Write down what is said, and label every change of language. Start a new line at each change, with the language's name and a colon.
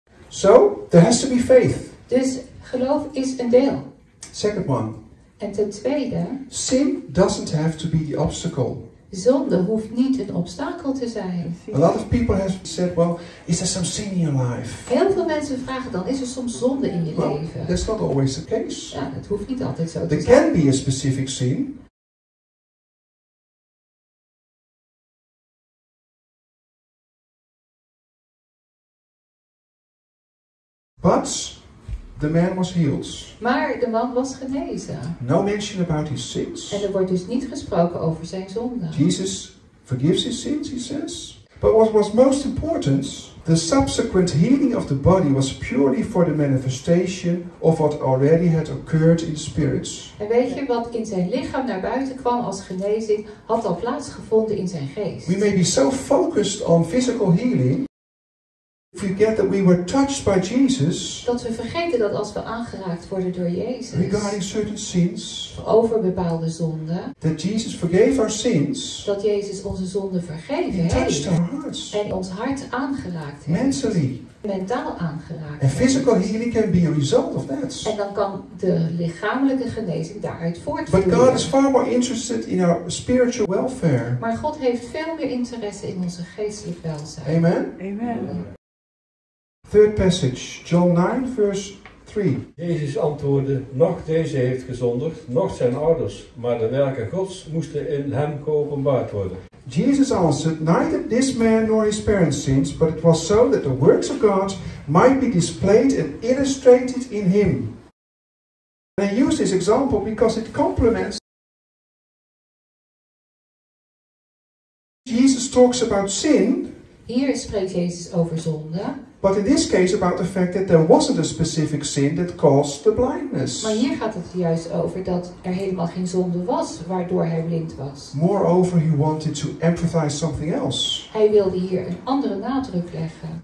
English: So, there has to be faith.
Dutch: Dus geloof is een deel.
English: Second one.
Dutch: En ten tweede.
English: Sin doesn't have to be the obstacle.
Dutch: Zonde hoeft niet een obstakel te zijn.
English: A lot of people have said, well, is there some sin in your life?
Dutch: Heel veel mensen vragen dan, is er soms zonde in je
English: well,
Dutch: leven?
English: That's not always the case.
Dutch: Ja, dat hoeft niet altijd zo
English: there
Dutch: te zijn.
English: There can be a specific sin. But the man was healed.
Dutch: Maar de man was genezen.
English: No mention about his sins.
Dutch: En er wordt dus niet gesproken over zijn zonden.
English: Jesus forgives his sins, he says. But what was most important, the subsequent healing of the body was purely for the manifestation of what already had occurred in spirits.
Dutch: En weet je wat in zijn lichaam naar buiten kwam als genezing, had al plaatsgevonden in zijn geest.
English: We may be so focused on physical healing. Forget that we were touched by Jesus.
Dutch: Dat we vergeten dat als we aangeraakt worden door Jezus.
English: Regarding certain sins.
Dutch: Over bepaalde zonden.
English: That Jesus forgave our sins.
Dutch: Dat Jezus onze zonden vergeven
English: heeft. Touched our hearts.
Dutch: En ons hart aangeraakt heeft.
English: Mentally.
Dutch: Mentaal aangeraakt.
English: And physical healing can be a result of that.
Dutch: En dan kan de lichamelijke genezing daaruit voortvloeien.
English: But God is far more interested in our spiritual welfare.
Dutch: Maar God heeft veel meer interesse in onze geestelijk welzijn.
English: Amen. Amen. Third passage, John 9, verse 3.
Dutch: Jezus antwoordde, nog deze heeft gezondigd, nog zijn ouders, maar de werken Gods moesten in hem geopenbaard worden.
English: Jesus answered, neither this man nor his parents sinned, but it was so that the works of God might be displayed and illustrated in him. And I use this example because it complements Jesus talks about sin.
Dutch: Here spreekt Jezus over zonde.
English: But in this case about the fact that there wasn't a specific sin that caused the blindness.
Dutch: Maar hier gaat het juist over dat er helemaal geen zonde was waardoor hij blind was.
English: Moreover, he wanted to emphasize something else.
Dutch: Hij wilde hier een andere nadruk leggen.